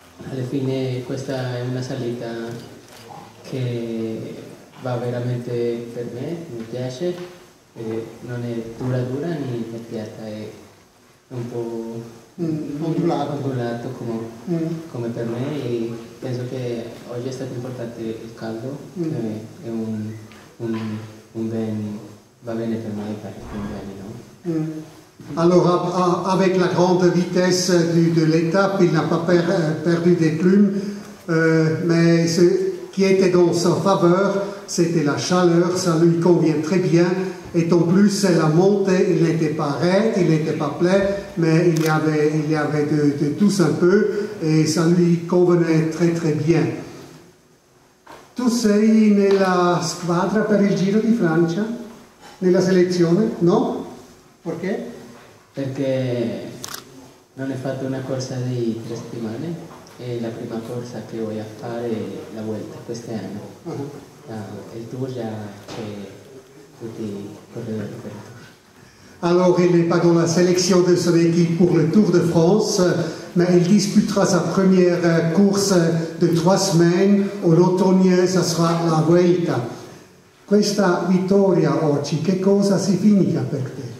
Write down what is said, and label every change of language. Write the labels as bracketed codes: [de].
[it] Alla fine questa è una salita che va veramente per me, mi piace, non è dura dura né immediata, è un po' ondulato come per me, e penso che oggi è stato importante il caldo, che è un bene, va bene per me fare un bene, no? [fr] Alors, avec la grande vitesse de l'étape, il n'a pas perdu des plumes, mais ce qui était dans sa faveur, c'était la chaleur, ça lui convient très bien. Et en plus, la montée, il n'était pas raide, il n'était pas plein, mais il y avait de tous un peu, et ça lui convenait très très bien. [it] Tu sei nella squadra per il Giro di Francia? Nella selezione? No? Perché? Perché non ho fatto una corsa di 3 settimane, è la prima corsa che voglio fare la Vuelta quest'anno. Il Tour già c'è tutti i corridori per il Tour. [fr] Allora, il n'est pas dans la sélection de son équipe pour le Tour de France, [it] ma il disputerà [fr] sa première course de 3 semaines, o l'automne, ça sera la Vuelta. [it] Questa vittoria oggi, che cosa significa per te?